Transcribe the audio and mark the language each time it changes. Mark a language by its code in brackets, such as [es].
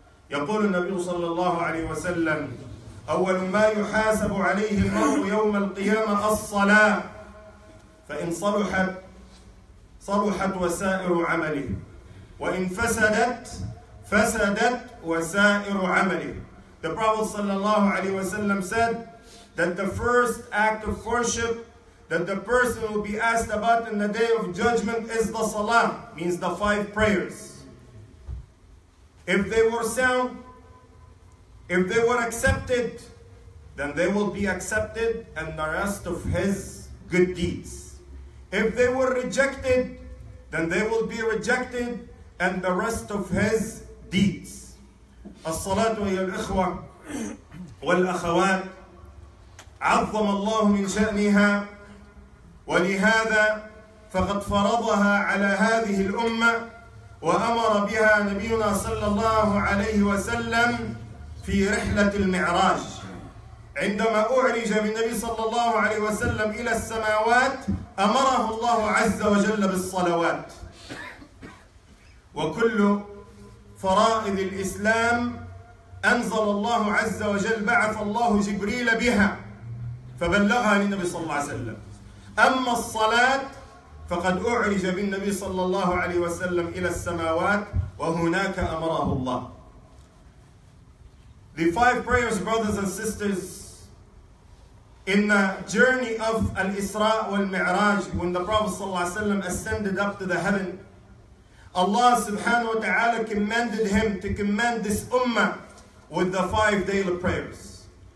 [ar] يقول النبي صلى الله عليه وسلم أول ما يحاسب عليه المرء يوم القيامة الصلاة. فإن صلحت صلحت وسائر عمله وإن فسدت فسدت وسائر عمله. [en] The Prophet sallallahu alaihi wasallam said that the first act of worship that the person will be asked about in the day of judgment is the salah, means the five prayers. If they were sound, if they were accepted, then they will be accepted and the rest of his good deeds. If they were rejected, then they will be rejected and the rest of his deeds. [ar] الصلاة يا الأخوة والأخوات عظم الله من شأنها ولهذا فقد فرضها على هذه الأمة وأمر بها نبينا صلى الله عليه وسلم في رحلة المعراج عندما أعرج بالنبي صلى الله عليه وسلم إلى السماوات أمره الله عز وجل بالصلوات وكل فرائض الإسلام أنزل الله عز وجل بعث الله جبريل بها فبلغها للنبي صلى الله عليه وسلم أما الصلاة فقد أعرج بالنبي صلى الله عليه وسلم إلى السماوات وهناك أمره الله. [en] The five prayers, brothers and sisters, in the journey of al-Isra wal-Mi'raj, when the Prophet صلى الله عليه وسلم ascended up to the heaven, Allah subhanahu wa ta'ala commanded him to command this ummah with the five daily prayers.